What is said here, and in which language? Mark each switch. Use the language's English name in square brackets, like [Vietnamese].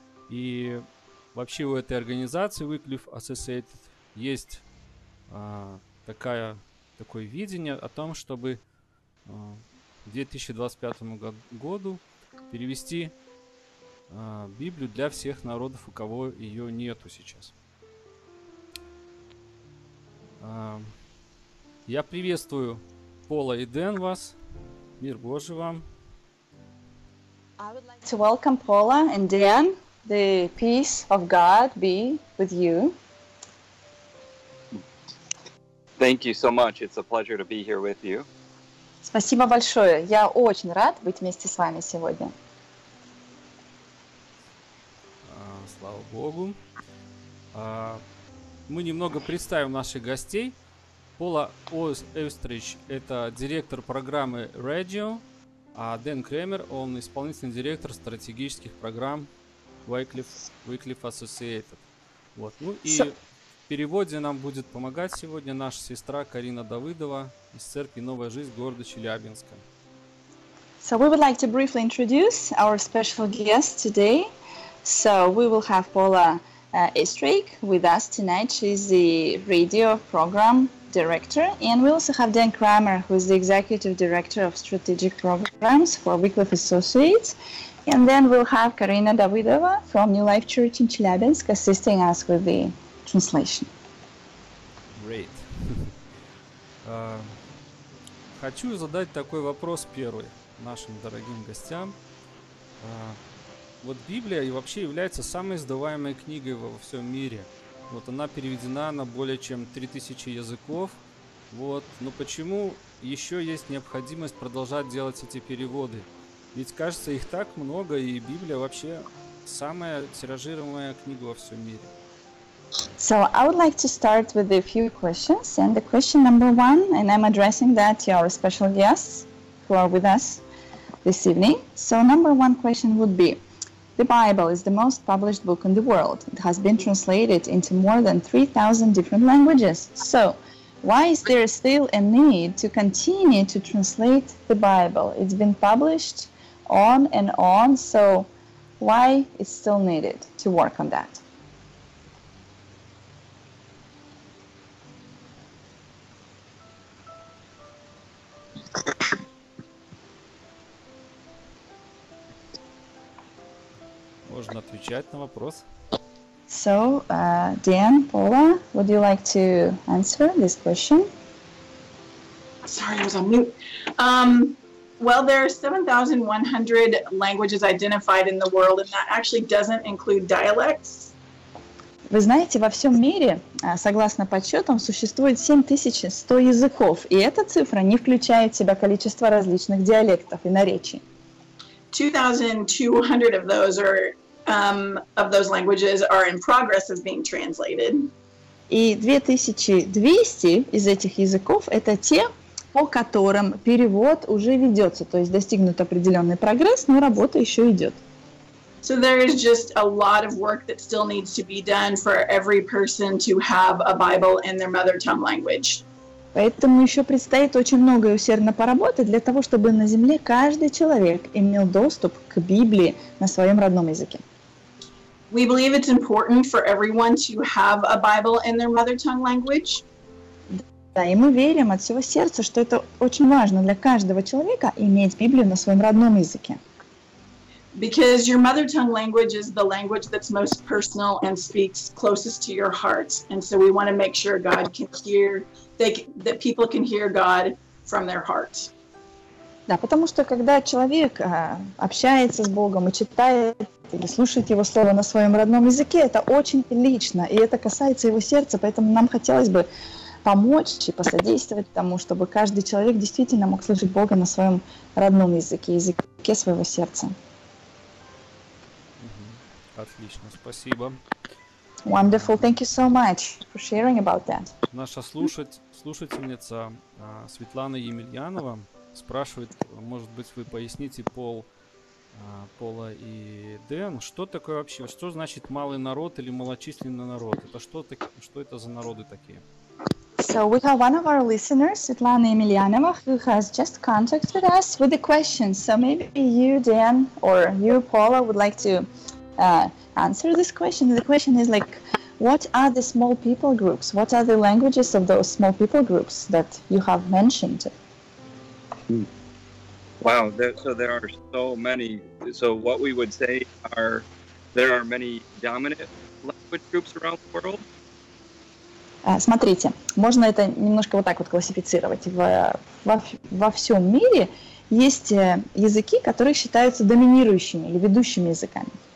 [Russian] И вообще у этой организации Wycliffe Associated есть такое видение о том, чтобы к 2025 году перевести Библию для всех народов, у кого ее нету сейчас. Я приветствую Пола и Дэн вас. Мир Божий вам. [English] I would like to welcome Paula and Dan. The peace of God be with you. Thank you so much. It's a pleasure to be here with you. [Russian] Спасибо большое. Я очень рад быть вместе с вами сегодня. Слава Богу. Мы немного представим наших гостей. Пола Эстрич – это директор программы Radio, а Дэн Кремер – он исполнительный директор стратегических программ Wycliffe Associated. Вот. Ну и в переводе нам будет помогать сегодня наша сестра Карина Давыдова из церкви «Новая жизнь» города Челябинска. [English] So we would like to briefly introduce our special guest today. So we will have Paula Eastrick with us tonight. She's the radio program director. And we also have Dan Kramer, who is the executive director of strategic programs for Wycliffe Associates. And then we'll have Karina Davidova from New Life Church in Chelyabinsk assisting us with the translation. Great. [Russian] Хочу задать такой вопрос первый нашим дорогим гостям. Вот Библия и вообще является самой издаваемой книгой во всем мире. Вот она переведена на более чем 3000 языков. Вот. Но почему еще есть необходимость продолжать делать эти переводы? Ведь кажется, их так много, и Библия вообще самая тиражируемая книга во всем мире. [English] So I would like to start with a few questions. And the question number one, and I'm addressing that to our special guests who are with us this evening. So number one question would be, the Bible is the most published book in the world. It has been translated into more than 3,000 different languages. So, why is there still a need to continue to translate the Bible? It's been published on and on, so why is still needed to work on that? [Russian] Можно отвечать на вопрос. [English] So, Dan, Paula, would you like to answer this question? Sorry, I was on mute. Well, there are 7,100 languages identified in the world, and that actually doesn't include dialects. [Russian] Вы знаете, во всем мире, согласно подсчетам, существует 7100 языков, и эта цифра не включает в себя количество различных диалектов и наречий. [English] 2,200 of those are of those languages are in progress of being translated. [Russian] И 2200 из этих языков – это те, по которым перевод уже ведется, то есть достигнут определенный прогресс, но работа еще идет. [English] So there is just a lot of work that still needs to be done for every person to have a Bible in their mother tongue language. [Russian] Поэтому еще предстоит очень много и усердно поработать для того, чтобы на земле каждый человек имел доступ к Библии на своем родном языке. [English] We believe it's important for everyone to have a Bible in their mother tongue language. [Russian] Да, и мы верим от всего сердца, что это очень важно для каждого человека иметь Библию на своем родном языке. [English] Because your mother tongue language is the language that's most personal and speaks closest to your heart. And so we want to make sure God can hear, that people can hear God from their heart. [Russian] Да, потому что когда человек общается с Богом и читает или слушает Его Слово на своем родном языке, это очень лично, и это касается его сердца, поэтому нам хотелось бы помочь и посодействовать тому, чтобы каждый человек действительно мог слышать Бога на своем родном языке, языке своего сердца. Отлично, спасибо. [English] Wonderful, thank you so much for sharing about that. [Russian] Наша слушательница Светлана Емельянова спрашивает, может быть, вы поясните Пола и Дэн, что такое вообще, что значит малый народ или малочисленный народ? Это что это за народы такие? [English] So we have one of our listeners, Светлана Емельянова, who has just contacted us with a question. So maybe you, Dan, or you, Paula, would like to answer this question. The question is like, what are the small people groups? What are the languages of those small people groups that you have mentioned? Wow, there are so many. So what we would say are, there are many dominant language groups around the world. [Russian] Смотрите, можно это немножко вот так вот классифицировать. Во всем мире есть языки, которые считаются доминирующими или ведущими языками.